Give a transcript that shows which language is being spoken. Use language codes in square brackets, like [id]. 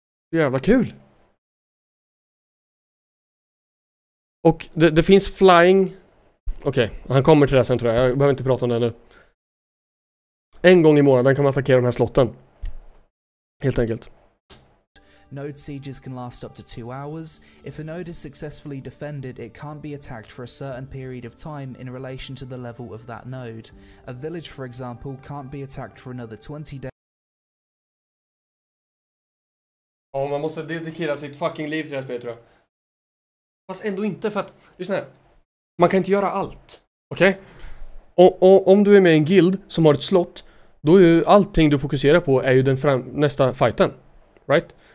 [sv] Det är jävla kul. Och det finns flying... Okej, [en] okay, [sv] han kommer till det sen tror jag. Jag behöver inte prata om det nu. En gång i månaden kan man attackera de här slotten. Helt enkelt. [en] Node sieges can last up to 2 hours. If a node is successfully defended, it can't be attacked for a certain period of time in relation to the level of that node. A village, for example, can't be attacked for another 20 days. [sv] Ja, man måste dedikera sitt fucking liv till det här spelet, tror jag. Fast ändå inte, för att, lyssna här. Man kan inte göra allt, okej? [en] Okay? [sv] Och om du är med i en guild som har ett slott, då är ju allting du fokuserar på är ju den nästa fighten. [en] Right?